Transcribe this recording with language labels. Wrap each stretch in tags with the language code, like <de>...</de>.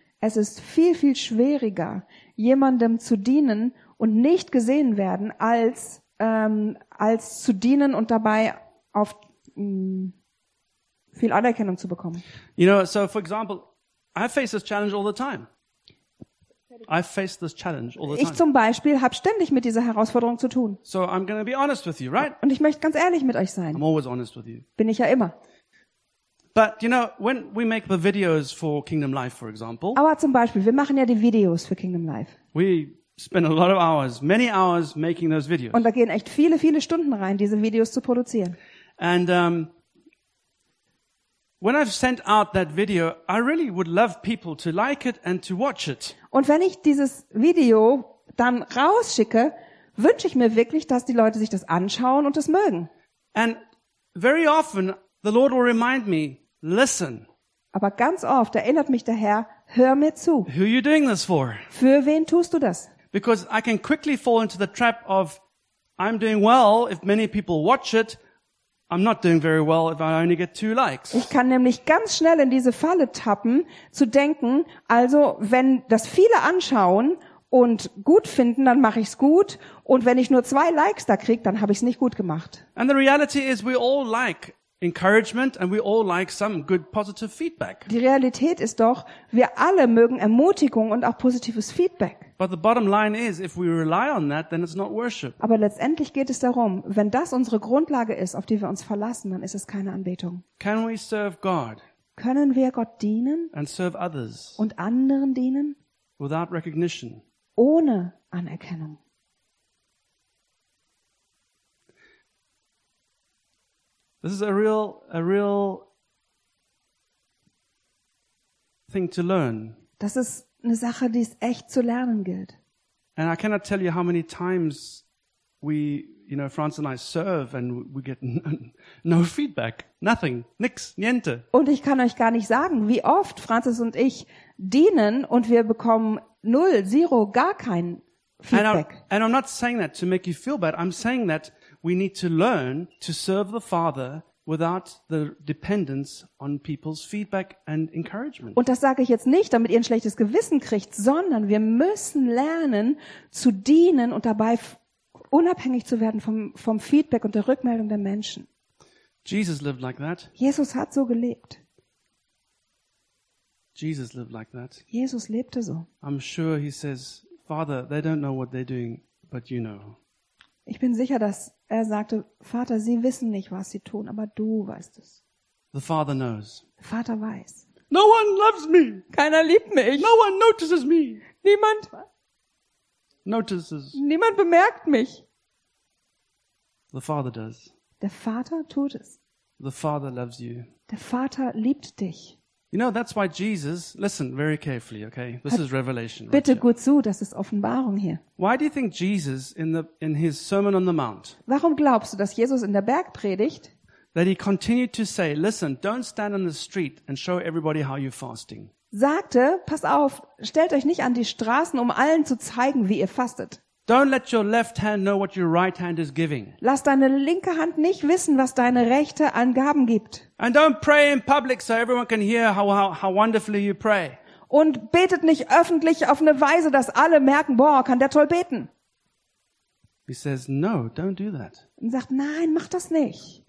<de>Es ist viel, viel schwieriger, jemandem zu dienen und nicht gesehen werden, als zu dienen und dabei auf viel Anerkennung zu bekommen.</de> <en>You know, so for example, I face this challenge all the time. I face this challenge all the time.</en> <de>Ich zum Beispiel habe ständig mit dieser Herausforderung zu tun.</de> <en>So I'm going to be honest with you, right?</en> <de>Und ich möchte ganz ehrlich mit euch sein.</de> <en>I'm always honest with you.</en> <de>Bin ich ja immer.</de> <en>But you know, when we make the videos for Kingdom Life, for example.</en> <de>Aber zum Beispiel, wir machen ja die Videos für Kingdom Life.</de> <en>We spend a lot of hours, many hours making those videos.</en> <de>Und da gehen echt viele, viele Stunden rein, diese Videos zu produzieren.</de> <en>And when I've sent out that video, I really would love people to like it and to watch it.</en> <de>Und wenn ich dieses Video dann rausschicke, wünsche ich mir wirklich, dass die Leute sich das anschauen und das mögen.</de> <en>And very often the Lord will remind me, listen.</en> <de>Aber ganz oft erinnert mich der Herr, hör mir zu.</de> <en>Who are you doing this for?</en> <de>Für wen tust du das?</de> <en>Because I can quickly fall into the trap of I'm doing well if many people watch it. I'm not doing very well if I only get 2 likes.</en> <de>Ich kann nämlich ganz schnell in diese Falle tappen, zu denken, also wenn das viele anschauen und gut finden, dann mache ich's gut, und wenn ich nur 2 Likes da kriege, dann habe ich's nicht gut gemacht.</de> <en>And the reality is we all like encouragement and we all like some good positive feedback.</en> <de>Die Realität ist doch, wir alle mögen Ermutigung und auch positives Feedback.</de> <en>But the bottom line is, if we rely on that, then it's not worship.</en> <de>Aber letztendlich geht es darum, wenn das unsere Grundlage ist, auf die wir uns verlassen, dann ist es keine Anbetung.</de> <en>Can we serve God?</en> <de>Können wir Gott dienen?</de> <en>And serve others?</en> <de>Und anderen dienen?</de> <en>Without recognition?</en> <de>Ohne Anerkennung.</de> <en>This is a real thing to learn.</en> <de>Das ist eine Sache, die es echt zu lernen gilt.</de> <en>And I cannot tell you how many times we, you know, France and I serve and we get no feedback, nothing,</en> <de>nix,</de> <it>niente.</it> <de>Und ich kann euch gar nicht sagen, wie oft Francis und ich dienen und wir bekommen null, zero, gar kein Feedback.</de> <en>And I'm not saying that to make you feel bad. I'm saying that we need to learn to serve the Father without the dependence on people's feedback and encouragement.</en> <de>Und das sage ich jetzt nicht, damit ihr ein schlechtes Gewissen kriegt, sondern wir müssen lernen zu dienen und dabei unabhängig zu werden vom Feedback und der Rückmeldung der Menschen.</de> <en>Jesus lived like that.</en> <de>Jesus hat so gelebt.</de> <en>Jesus lived like that.</en> <de>Jesus lebte so.</de> <en>I'm sure he says, Father, they don't know what they're doing, but you know.</en> <de>Ich bin sicher, dass er sagte, Vater, sie wissen nicht, was sie tun, aber du weißt es.</de> <en>The Father knows.</en> <de>Vater weiß.</de> <en>No one loves me.</en> <de>Keiner liebt mich.</de> <en>No one notices me.</en> <de>Niemand</de> <en>notices.</en> <de>Niemand bemerkt mich.</de> <en>The Father does.</en> <de>Der Vater tut es.</de> <en>The Father loves you.</en> <de>Der Vater liebt dich.</de> <en>You know, that's why Jesus, listen very carefully, okay? This is revelation.</en> <de>Bitte gut zu, das ist Offenbarung hier.</de> <en>Why do you think Jesus in his Sermon on the Mount?</en> <de>Warum glaubst du, dass Jesus in der Bergpredigt?</de> <en>That he continued to say, listen, don't stand on the street and show everybody how you're fasting.</en> <de>Sagte, pass auf, stellt euch nicht an die Straßen, um allen zu zeigen, wie ihr fastet.</de> <en>Don't let your left hand know what your right hand is giving.</en> <de>Lass deine linke Hand nicht wissen, was deine rechte an Gaben gibt.</de> <en>And don't pray in public so everyone can hear how wonderfully you pray.</en> <de>Und betet nicht öffentlich auf eine Weise, dass alle merken, boah, kann der toll beten.</de> <en>He says, no, don't do that.</en> <de>Und sagt, nein, mach das nicht.</de>